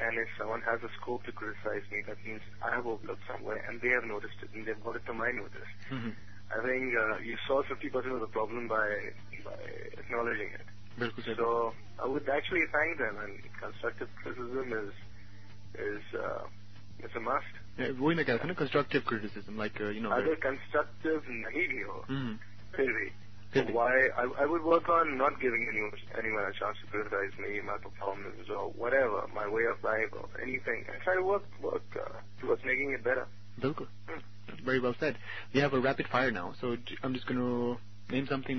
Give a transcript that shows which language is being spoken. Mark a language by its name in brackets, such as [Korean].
[English] And if someone has a scope to criticize me, that means I have overlooked somewhere and they have noticed it and they've brought it to my notice. Mm-hmm. I think you solve 50% of the problem by acknowledging it. [Hindi] Bilkul. [English] So I would actually thank them, and constructive criticism is a must. Yeah, [Hindi] वही ना कहते हैं ना [English] constructive criticism, like you know. [Hindi] अगर constructive नहीं भी हो, फिर भी. [English] Why I would work on not giving anyone a chance to criticize me, my performance or whatever, my way of life or anything. I try to work towards making it better. [Hindi] बिल्कुल. [English] Very well said. We have a rapid fire now, so I'm just gonna name something.